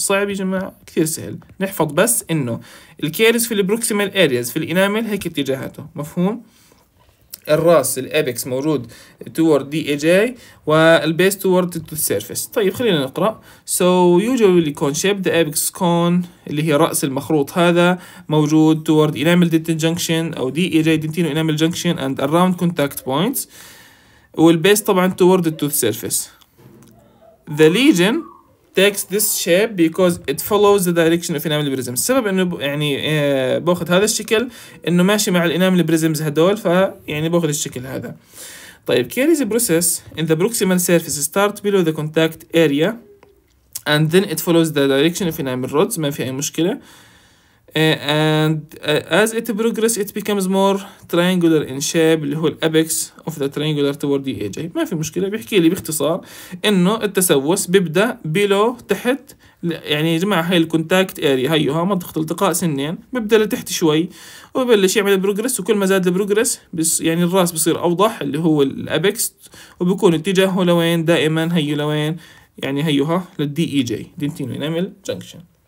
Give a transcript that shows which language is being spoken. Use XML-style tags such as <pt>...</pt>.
<ar>صعب يا جماعه؟ كثير سهل، نحفظ بس انه الكاريز في البروكسيمال ارياز في الانامل هيك اتجاهاته، مفهوم؟ الراس الابكس مورود توورد دي اي جي والبيس توورد التوث سيرفيس. طيب خلينا نقرا.</ar> <en>So usually cone shape the apex cone</en> <ar>اللي هي راس المخروط هذا موجود</ar> <en>Toward enamel dentin junction او D E J dentin enamel junction and around contact points, والبيس طبعا toward التوث surface. The lesion takes this shape because it follows the direction of enamel prism.</en> <ar>السبب انه يعني باخذ هذا الشكل انه ماشي مع الانامل بريزمز هدول، فيعني باخذ الشكل هذا.</ar> <en>طيب caries process in the proximal surface start below the contact area and then it follows the direction of enamel rods.</en> <ar>ما في اي مشكله.</ar> <en>And as it progresses it becomes more triangular in shape</en> <ar>اللي هو الابيكس</ar> <en>of the triangular toward the AJ.</en> <ar>ما في مشكلة، بيحكي لي باختصار انه التسوس بيبدأ بلو تحت، يعني يا جماعة هاي الكونتاكت اريا هيها منطقة التقاء سنين، بيبدأ لتحت شوي وبيبلش يعمل البروجرس، وكل ما زاد البروجرس يعني الراس بصير اوضح اللي هو الابيكس، وبكون اتجاهه لوين؟ دائما هيو لوين؟ يعني هيها للدي اي جي دنتين انامل جنكشن.</ar>